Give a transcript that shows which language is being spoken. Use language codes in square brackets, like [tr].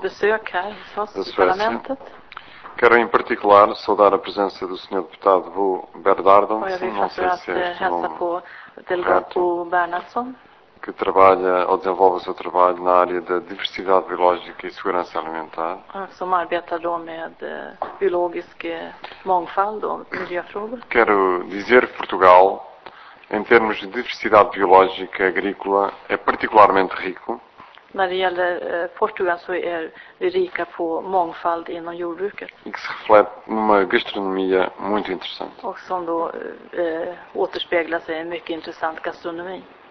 [pt] da Suécia. Quero, em particular, saudar a presença do Sr. Deputado Bo Bernhardsson. Não sei se é este nome reto, que trabalha ou desenvolve o seu trabalho na área da diversidade biológica e segurança alimentar. [sv] Som arbetador med biologisk mångfald och miljöfrågor. [pt] Quero dizer que Portugal, em termos de diversidade biológica agrícola, é particularmente rico. [sv] När det gäller Portugal så är vi rika på mångfald inom jordbruket. [pt] E que se reflete numa gastronomia muito interessante. [sv] Och som då återspeglas i en mycket intressant gastronomi.